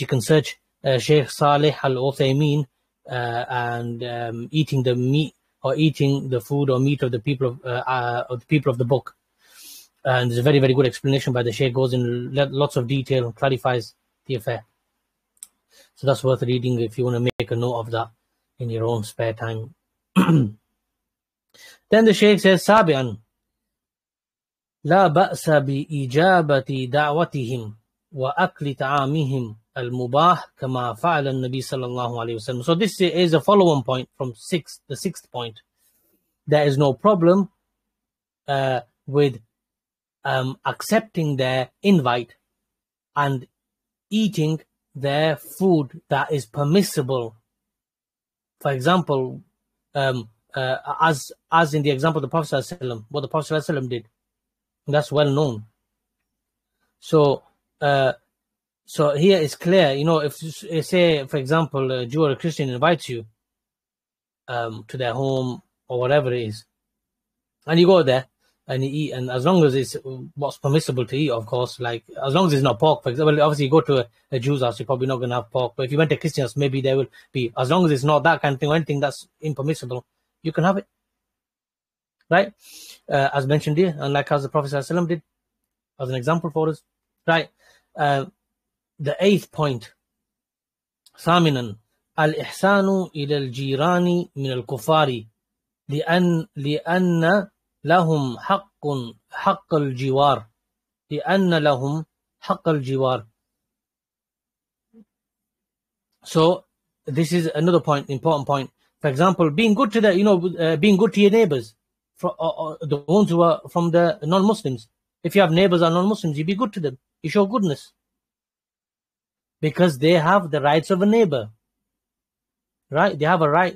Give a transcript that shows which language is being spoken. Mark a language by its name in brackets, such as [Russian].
[English] You can search Shaykh Saleh Al Fawzan and eating the meat or eating the food or meat of the people of the people of the book. And there's a very, very good explanation by the Shaykh, goes in lots of detail and clarifies the affair. So that's worth reading if you want to make a note of that in your own spare time. Then the Shaykh says, Sabian, [Arabic] لا بأس بإجابة دعوتهم وأكل طعامهم المباح كما فعل النبي صلى الله عليه وسلم. [English] So this is a follow-on point from the sixth point. There is no problem with accepting their invite and eating their food that is permissible. For example, as in the example of the Prophet sallallahu alaihi wasallam, what the Prophet sallallahu alaihi wasallam did, that's well known. So here it's clear, you know, if say for example a Jew or a Christian invites you to their home or whatever it is, and you go there and you eat, and as long as it's what's permissible to eat, of course, like as long as it's not pork, for example, obviously you go to a Jew's house, you're probably not going to have pork, but if you went to a Christian house, maybe there will be, as long as it's not that kind of thing or anything that's impermissible, you can have it, right? As mentioned here, and like as the Prophet ﷺ did, as an example for us, right? The eighth point, [Arabic] ثامناً الإحسان إلى الجيران من الكفار لأن لهم حق الجوار لأن لهم حق الجوار. [English] So this is another point, important point. For example, being good to the, you know, being good to your neighbors, the ones who are from the non-Muslims. If you have neighbors who are non-Muslims, you be good to them. You show goodness. Because they have the rights of a neighbor. Right? They have a right.